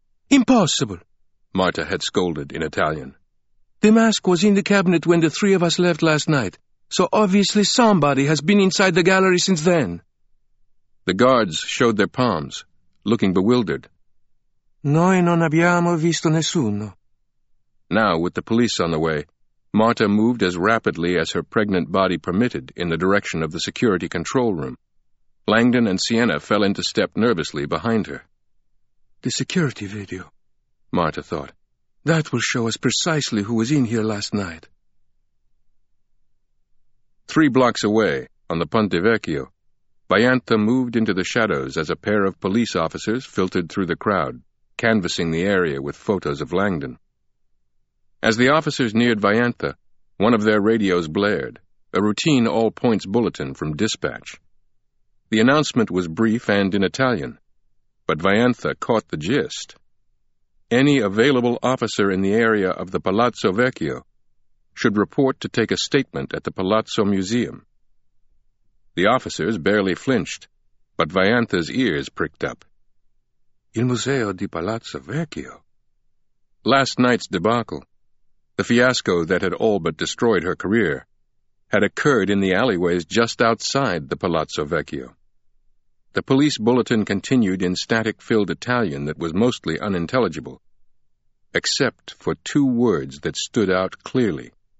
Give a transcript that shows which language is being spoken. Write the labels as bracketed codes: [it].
[en] Impossible, Marta had scolded in Italian. The mask was in the cabinet when the three of us left last night, so obviously somebody has been inside the gallery since then. The guards showed their palms, looking bewildered. [it] Noi non abbiamo visto nessuno. [en] Now, with the police on the way, Marta moved as rapidly as her pregnant body permitted in the direction of the security control room. Langdon and Sienna fell into step nervously behind her. The security video, Marta thought. That will show us precisely who was in here last night. 3 blocks away, on the Ponte Vecchio, Bayantha moved into the shadows as a pair of police officers filtered through the crowd, canvassing the area with photos of Langdon. As the officers neared Vianta, one of their radios blared, a routine all-points bulletin from dispatch. The announcement was brief and in Italian, but Vianta caught the gist. Any available officer in the area of the Palazzo Vecchio should report to take a statement at the Palazzo Museum. The officers barely flinched, but Vianta's ears pricked up. [it] Il Museo di Palazzo Vecchio? [en] Last night's debacle, the fiasco that had all but destroyed her career, had occurred in the alleyways just outside the Palazzo Vecchio. The police bulletin continued in static-filled Italian that was mostly unintelligible, except for two words that stood out clearly.